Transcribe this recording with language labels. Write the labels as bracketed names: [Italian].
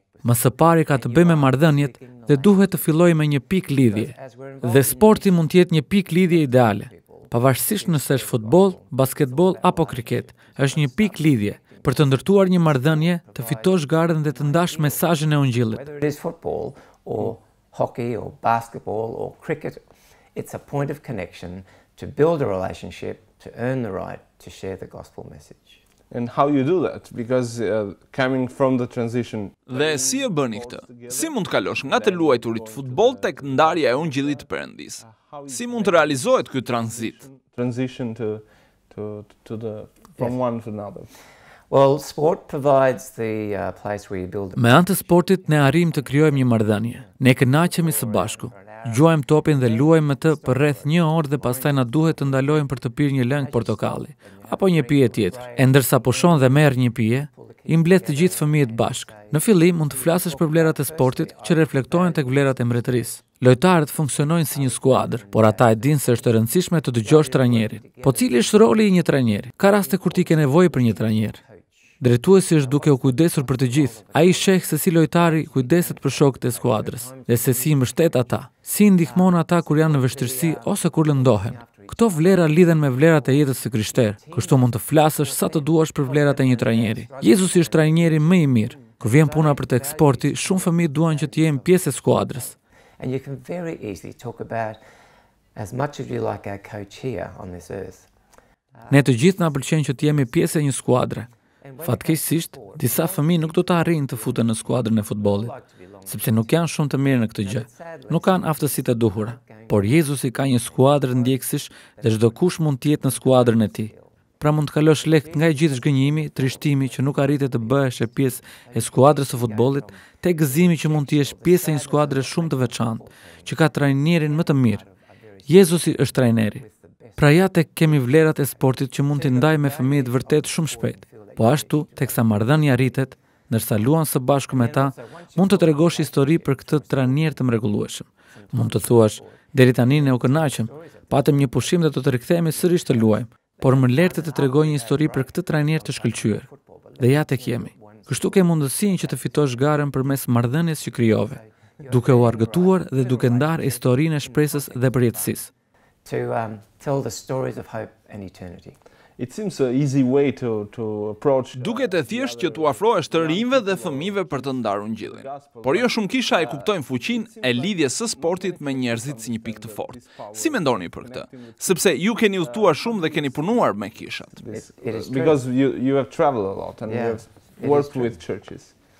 [Albanian] Më së pari ka të bëjë me marrëdhëniet dhe duhet të fillojë me një pikë lidhje. Dhe sporti mund të jetë një pikë lidhje ideale. Pavarësisht nëse është futboll, basketboll apo kriket, është një pikë lidhje për të ndërtuar një marrëdhënie, të fitosh garën dhe të ndash mesazhin e ungjillit. [English] Whether it's football or hockey or basketball or cricket, it's a point of connection to build a relationship, to earn the right to share the gospel message. And how you do that? Because coming from the transition. [Albanian] Dhe si e bëni këtë? Si mund të kalosh nga të luajturit futboll tek ndarja e ungjillit të Perëndis? Si mund të realizohet ky tranzit? [English] Transition to the from yes. One to another. Well, sport provides the place where you build. [Albanian] Me anë të sportit ne arrim të krijojmë një marrëdhënie. Ne kënaqemi së bashku. Gjuajmë topin dhe luajmë me të për rreth 1 orë dhe pastaj na duhet të ndalojmë për të pirë një lëng portokalli apo një pije tjetër. E ndërsa pushon dhe merr një pije, i mblet të gjithë fëmijët bashkë. Në fillim mund të flasësh për vlerat e sportit që reflektohen tek vlerat e mbretërisë. Lojtarët funksionojnë si një skuadër, por ata e dinë se është e rëndësishme të dëgjosh trajnerin. Po cili është roli i një trajneri? Ka raste kur ti ke nevojë për një trajner. Drejtuesi është duke u kujdesur për të gjithë. Ai sheh se si lojtari kujdeset për shokët e skuadrës dhe se si i mbështet ata, si i ndihmon ata kur janë në vështirësi ose kur lëndohen. Këto vlera lidhen me vlerat e jetës së krishterë. Kështu mund të flasësh sa të duash për vlerat e një trajneri. Jezusi është trajneri më i mirë. Kur vjen puna për tek sporti, shumë fëmijë duan që të jenë pjesë e skuadrës. [English] And you can very easily talk about as much as you like our coach here on this earth. [Albanian] Ne të gjithë na pëlqen që të jemi pjesë e një skuadre. Fatkeqësisht, disa fëmijë nuk do të arrijnë të futen në skuadrën e futbollit. sepse nuk janë shumë të mirë në këtë gjë. Nuk kanë aftësitë e duhura, por Jezusi ka një skuadër ndjekësish dhe çdo kush mund të jetë në skuadrën e tij. Pra mund të kalosh lehtë nga e gjithë zhgënjimi, trishtimi që nuk arritet të bëhesh pjesë e skuadrës së futbollit, te gëzimi që mund të jesh pjesë e një skuadre shumë të veçantë që ka trajnerin më të mirë. Jezusi është trajneri. Pra ja tek kemi vlerat e sportit që mund t'i ndaj me fëmijët vërtet shumë shpejt. Po ashtu, teksa marrëdhënia arritet, ndërsa luan së bashku me ta, mund të tregosh histori për këtë trajner të mrekullueshëm. Mund të thuash, deri tani ne u kënaqëm, patëm një pushim dhe do të rikthehemi sërish të luajmë, por më lehtë të tregoj një histori për këtë trajner të shkëlqyer. Dhe ja tek jemi. Kështu ke mundësinë që të fitosh garën përmes marrëdhënies që krijove, duke u argëtuar dhe duke ndarë historinë e shpresës dhe përjetësisë. [English] To tell the stories of hope and eternity. It seems an easy way to approach. [Albanian] Duket e thjeshtë që t'u afrohesh të rinjve dhe fëmijëve për të ndarë ungjillin. Por jo shumë kisha e kuptojnë fuqinë e lidhjes së sportit me njerëzit si një pikë të fortë. Si mendoni për këtë? Sepse ju keni udhëtuar shumë dhe keni punuar me kishat. [English] Because you have traveled a lot and you have worked with churches.